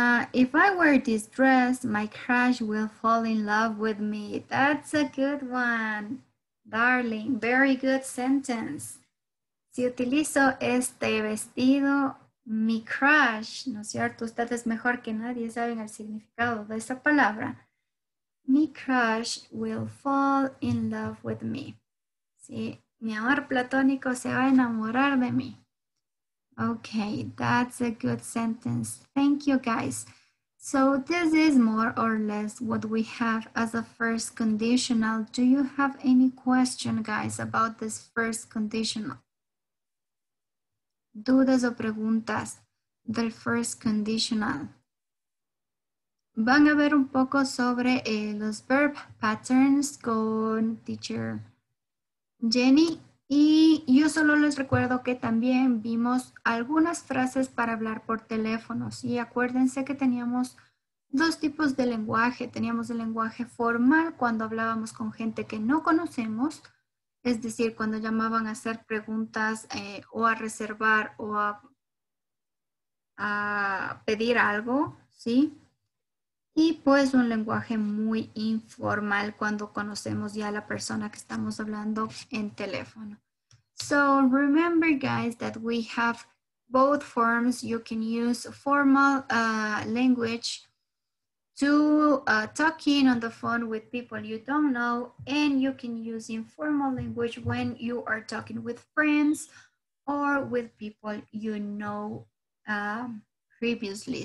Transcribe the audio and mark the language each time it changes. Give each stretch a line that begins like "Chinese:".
English: If I wear this dress, my crush will fall in love with me. That's a good one, darling. Very good sentence.
Spanish: Si utilizo este vestido, mi crush, ¿no es cierto? Ustedes mejor que nadie saben el significado de esa palabra.
English: Mi crush will fall in love with me.
Spanish: ¿Sí? Mi amor platónico se va a enamorar de mí.
English: Okay, that's a good sentence. Thank you, guys. So this is more or less what we have as a first conditional. Do you have any question, guys, about this first conditional?
Spanish: ¿Dudas o preguntas del first conditional? Van a ver un poco sobre los verb patterns con teacher Jenny, y yo solo les recuerdo que también vimos algunas frases para hablar por teléfono. Y acuérdense que teníamos dos tipos de lenguaje. Teníamos el lenguaje formal cuando hablábamos con gente que no conocemos, es decir, cuando llamaban a hacer preguntas o a reservar o a pedir algo, ¿sí? Y pues un lenguaje muy informal cuando conocemos ya a la persona que estamos hablando en teléfono.
English: So remember, guys, that we have both forms. You can use formal language to talk in on the phone with people you don't know. And you can use informal language when you are talking with friends or with people you know previously.